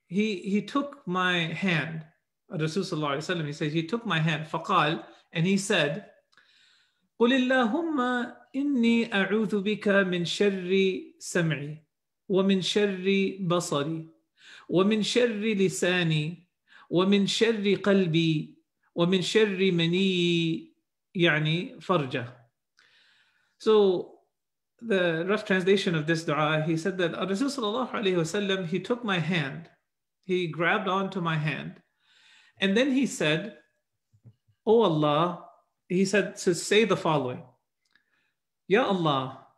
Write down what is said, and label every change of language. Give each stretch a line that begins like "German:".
English: He took my hand. Rasul sallallahu alayhi wa sallam, he says, he took my hand.
Arabic: فقال,
English: and he said,
Arabic: قل اللهم إني أعوذ بك من شر سمعي ومن شر بصري ومن شر لساني ومن شر قلبي ومن شر مني يعني فرجه.
English: So the rough translation of this dua, he said that Rasul sallallahu alayhi wa sallam, he took my hand, he grabbed onto my hand, and then he said, O Allah, he said, to say the following, Ya Allah,